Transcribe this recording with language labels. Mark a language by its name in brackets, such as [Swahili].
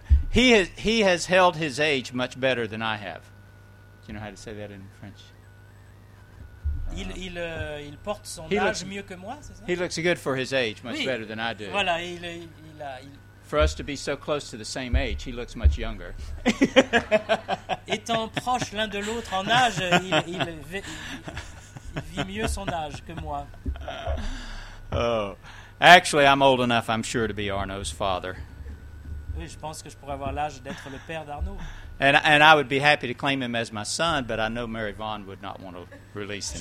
[English] He has held his age much better than I have. Do you know how to say that in French? [French] Il porte son âge mieux que moi, c'est ça? [English] He looks good for his age, much [French] oui. [English] better than I do. [French] Voilà, [English] For us to be so close to the same age, he looks much younger. [French] Étant proches l'un de l'autre en âge, il vit mieux son âge que moi. [English] Oh, actually, I'm old enough, I'm sure, to be Arnaud's father. [French] Oui, je pense que je pourrais avoir l'âge d'être le père d'Arnaud. [English] And I would be happy to claim him as my son, but I know Mary Vaughan would not want to release him.